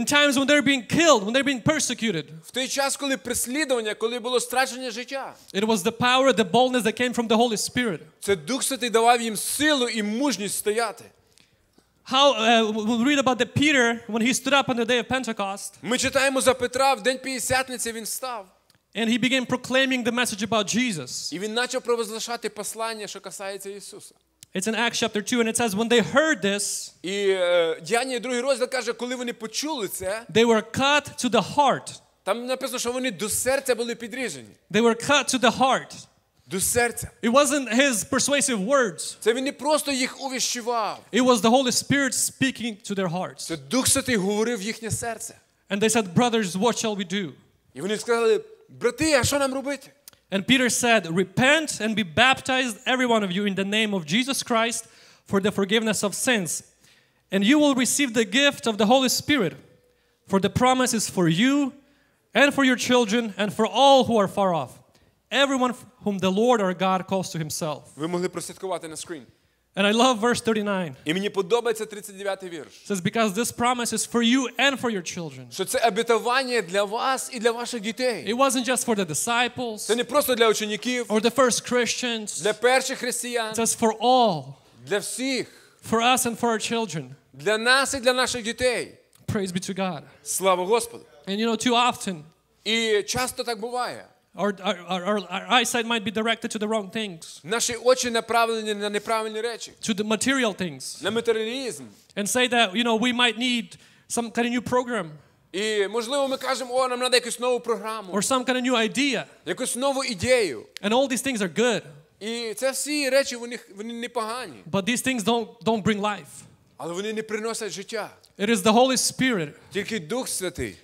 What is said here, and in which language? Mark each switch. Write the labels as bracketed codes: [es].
[en] In times when they're being killed, when they're being persecuted. [uk] В той час, коли переслідування, коли було страчення життя. [en] It was the power, the boldness that came from the Holy Spirit. [uk] Це Дух Святий давав їм силу і мужність стояти. [en] How we'll read about the Peter when he stood up on the day of Pentecost. [uk] Ми читаємо за Петра, в день П'ятдесятниці він став. [en] And he began proclaiming the message about Jesus. [uk] І він почав провозглашати послання, що касається Ісуса. [en] It's in Acts chapter 2 and it says when they heard this, [uk] і Діяння другий розділ каже, коли вони почули це, [en] they were cut to the heart. [uk] Там написано, що вони до серця були підріжені. [en] They were cut to the heart. [uk] До серця. [en] It wasn't his persuasive words. [uk] Це він не просто їх увіщував. [en] It was the Holy Spirit speaking to their hearts. [uk] Це Дух Святий говорив їхнє серце. [en] And they said, brothers, what shall we do? [uk] І вони сказали, брати, а що нам робити? [en] And Peter said, repent and be baptized every one of you in the name of Jesus Christ for the forgiveness of sins. And you will receive the gift of the Holy Spirit, for the promise is for you and for your children and for all who are far off. Everyone whom the Lord our God calls to himself. [uk] Ви могли прослідкувати на screen. [en] And I love verse 39. [uk] І мені подобається 39-й вірш. [en] Says because this promise is for you and for your children. [uk] Що це обітування для вас і для ваших дітей. [en] It wasn't just for the disciples. [uk] Це не просто для учнів. [en] Or the first Christians. [uk] Для перших християн. [en] It says for all. [uk] Для всіх. [en] For us and for our children. [uk] Для нас і для наших дітей. [en] Praise be to God. [uk] Слава Господу. [en] And you know too often. [uk] І часто так буває. [en] Our eyesight might be directed to the wrong things. [uk] Наші очі направлені на неправильні речі. [en] To the material things. [uk] На матеріалізм. [en] And say that, you know, we might need some kind of new program. [uk] І можливо ми кажемо, о, нам треба якусь нову програму. [en] Or some kind of new idea. [uk] Якусь нову ідею. [en] And all these things are good. [uk] І це всі речі, вони непогані. [en] But these things don't bring life. [uk] Але вони не приносять життя. [en] It is the Holy Spirit. [uk] Тільки Дух Святий.